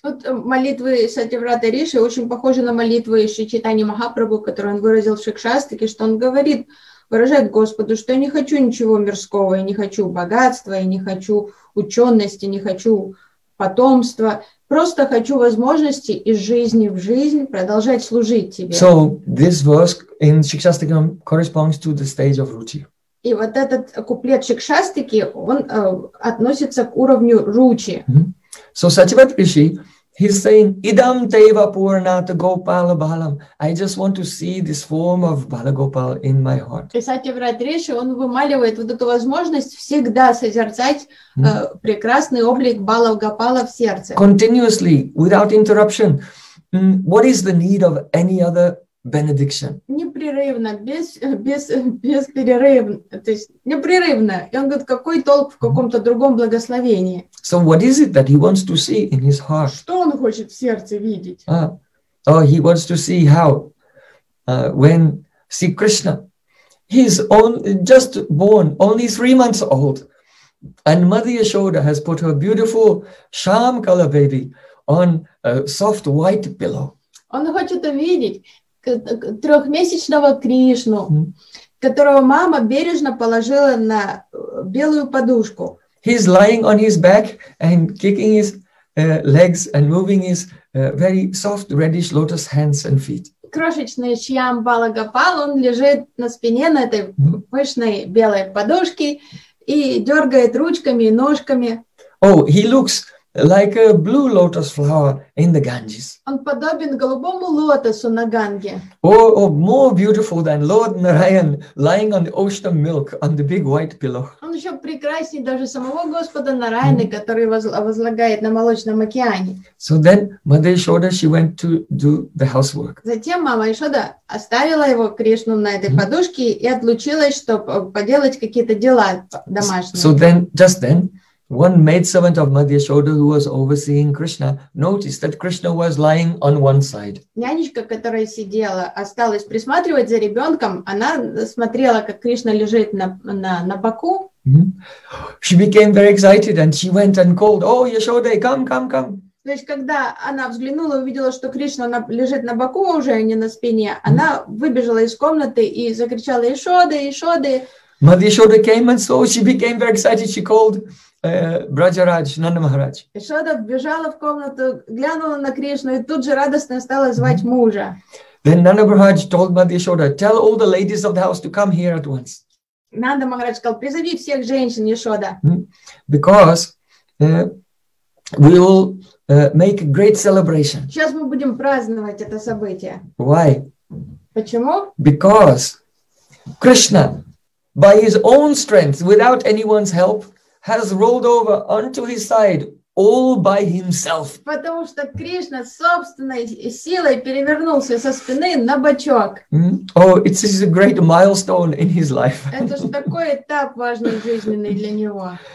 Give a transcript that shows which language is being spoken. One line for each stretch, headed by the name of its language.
Russian: Вот молитвы Сативрата Риши очень похожи на молитвы Шри Чайтаньи Махапрабху, которые он выразил в Шикшастике, что он говорит, выражает Господу, что я не хочу ничего мирского, я не хочу богатства, я не хочу учености, не хочу потомства. Просто хочу возможности из жизни в жизнь продолжать служить тебе.
English: So this verse in Shikshastakam corresponds to the stage of Ruchi.
Russian: И вот этот куплет Шикшастики, он относится к уровню Ручи.
Sanskrit: So Сачивад Риши,
English: he's saying,
Sanskrit: Idam Teva Purnata Gopala Balam.
English: I just want to see this form of Balagopal in my heart.
Russian: И Сачивад Риши, он вымаливает вот эту возможность всегда созерцать прекрасный облик Балагопала в сердце.
English: Continuously, without interruption. What is the need of any other benediction?
Russian: Непрерывно, без перерывов, то есть непрерывно. И он говорит, какой толк в каком-то другом благословении?
English: So what is it that he wants to see in his heart?
Russian: Что он хочет в сердце видеть?
English: He wants to see how when see Krishna, he's just born, only 3 months old, and Mother Yashoda has put her beautiful sham color baby on a soft white pillow.
Russian: Он хочет увидеть трехмесячного Кришну, которого мама бережно положила на белую подушку.
English: He's lying on his back and kicking his legs and moving his very soft reddish lotus hands and feet.
Russian: Крошечный Шьям Балагопал, он лежит на спине на этой пышной белой подушке и дергает ручками и ножками.
English: Oh, he looks like a blue lotus flower in the Ganges.
Russian: Он подобен голубому лотосу на Ганге.
English: Oh, more beautiful than Lord Narayan lying on the ocean of milk on the big white pillow.
Russian: Он еще прекраснее даже самого Господа Нараяны, который возлагает на молочном океане.
English: So then Mother Yashoda, she went to do the housework.
Russian: Затем мама Ишода оставила его Кришну на этой подушке и отлучилась, чтобы поделать какие-то дела домашние.
English: So then, just then, one maidservant of Mother Yashoda, who was overseeing Krishna, noticed that Krishna was lying on one side.
Russian: Нянечка, которая сидела, осталась присматривать за ребенком. Она смотрела, как Кришна лежит на боку.
English: She became very excited and she went and called, "Oh, Yashoda, come, come, come!"
Russian: То есть, когда она взглянула и увидела, что Кришна она лежит на боку уже, а не на спине, она выбежала из комнаты и закричала «Ишоды, Ишоды!»
English: Mother Ishoda came and saw, she became very excited, she called Brajaraj, Nanda Maharaj.
Russian: Ishoda вбежала в комнату, глянула на Кришну и тут же радостно стала звать мужа.
English: Then Nanda Maharaj told Mother Ishoda, tell all the ladies of the house to come here at once.
Russian: Nanda Maharaj сказал, призови всех женщин, Ishoda.
English: Because we will make a great celebration.
Russian: Сейчас мы будем праздновать это событие.
English: Why?
Russian: Почему?
English: Because Krishna, by his own strength, without anyone's help, has rolled over onto his side all by himself.
Russian: Потому что Кришна собственной силой перевернулся со спины на бочок.
English: Oh, it's a great milestone in his life.
Russian: Это же такой этап важный жизненный для него.